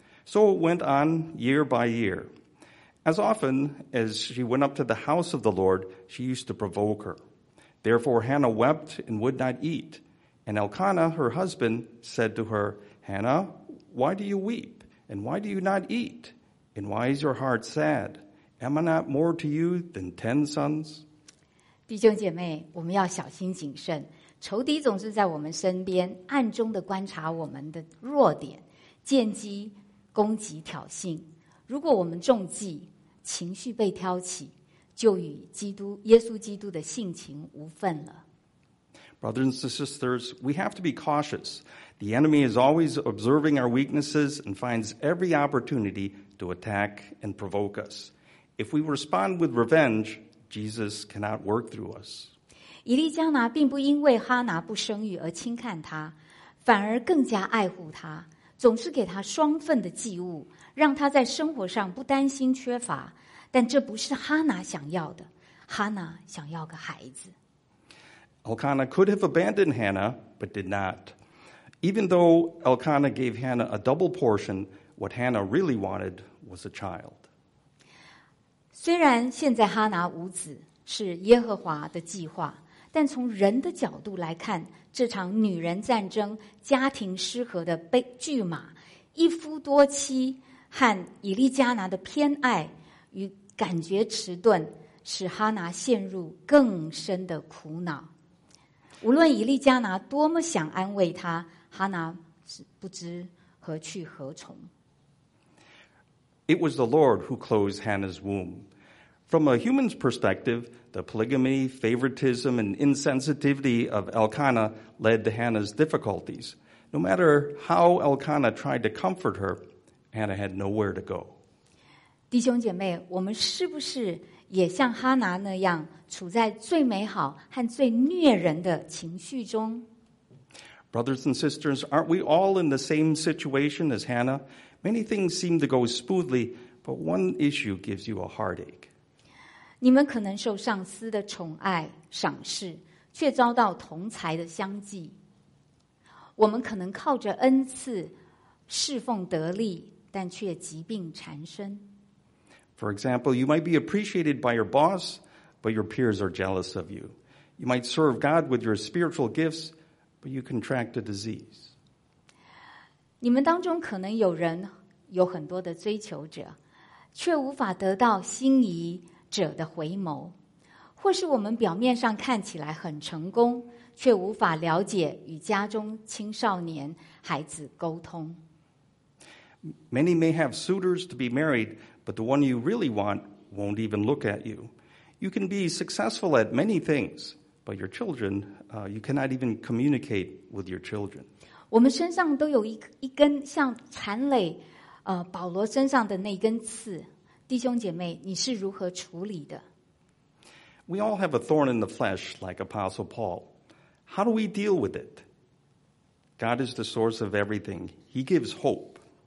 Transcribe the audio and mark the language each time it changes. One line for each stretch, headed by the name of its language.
English: So it went on year by year. As often as she went up to the house of the Lord, she used to provoke her. Therefore Hannah wept and would not eat. And Elkanah, her husband, said to her, Hannah, why do you weep? And why do you not eat? And why is your heart sad? Am I not more to you than 10 sons?
Chinese: 弟兄姐妹，我们要小心谨慎，仇敌总是在我们身边暗中的观察我们的弱点，见机攻击挑衅。如果我们中计，情绪被挑起，就与耶稣基督的性情无分了。
English: Brothers and sisters, we have to be cautious. The enemy is always observing our weaknesses and finds every opportunity to attack and provoke us. If we respond with revenge, Jesus cannot work through us.
Chinese: 以利加拿并不因为哈拿不生育而轻看他，反而更加爱护他，总是给他双份的祭物，让他在生活上不担心缺乏。但这不是哈拿想要的，哈拿想要个孩子。
English: Elkanah could have abandoned Hannah, but did not. Even though Elkanah gave Hannah a double portion, what Hannah really wanted was a child.
Chinese: 虽然现在哈拿无子是耶和华的计划，但从人的角度来看，这场女人战争、家庭失和的悲剧码、一夫多妻和以利加拿的偏爱与感觉迟钝，使哈拿陷入更深的苦恼。无论以利加拿多么想安慰他，哈拿不知何去何从。
English: It was the Lord who closed Hannah's womb. From a human's perspective, the polygamy, favoritism, and insensitivity of Elkanah led to Hannah's difficulties. No matter how Elkanah tried to comfort her, Hannah had nowhere to go.
Chinese: 弟兄姐妹，我们是不是也像哈拿那样处在最美好和最虐人的情绪中？
English: Brothers and sisters, aren't we all in the same situation as Hannah? Many things seem to go smoothly, but one issue gives you a heartache.
Chinese: 你们可能受上司的宠爱赏识，却遭到同才的相忌。我们可能靠着恩赐侍奉得力，但却疾病缠身。
English: For example, you might be appreciated by your boss, but your peers are jealous of you. You might serve God with your spiritual gifts, but you contract a disease.
Chinese: 你们当中可能有人有很多的追求者，却无法得到心仪者的回眸，或是我们表面上看起来很成功，却无法了解与家中青少年孩子沟通。
English: Many may have suitors to be married, but the one you really want won't even look at you. You can be successful at many things, but your children, you cannot even communicate with your children.
Chinese: 我们身上都有一根像残垒，保罗身上的那根刺。弟兄姐妹，你是如何处理的？
English: We all have a thorn in the flesh, like Apostle Paul. How do we deal with it? God is the source of everything. He gives hope.